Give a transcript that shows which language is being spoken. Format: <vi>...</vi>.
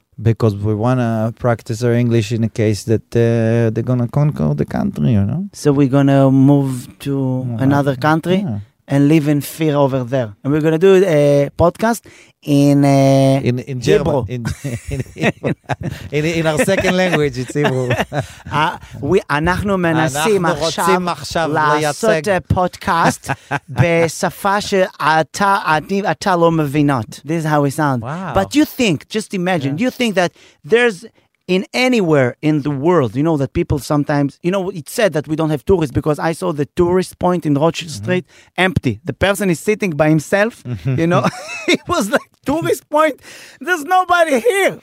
<en>Because we want to practice our English in a case that they're going to conquer the country, you know? So we're going to move to another country and live in fear over there. And we're going to do a podcast in German. In our second language, it's Hebrew.</en> <he>אנחנו מנסים עכשיו לעשות פודקאסט בשפה שאתה לא מבינות.</he> <en>This is how we sound. Wow. But you think, just imagine, you think that there's in anywhere in the world, you know, that people sometimes, you know, it's said that we don't have tourists because I saw the tourist point in Rochelle Street empty. The person is sitting by himself, you know. It was like, tourist point, there's nobody here.</en>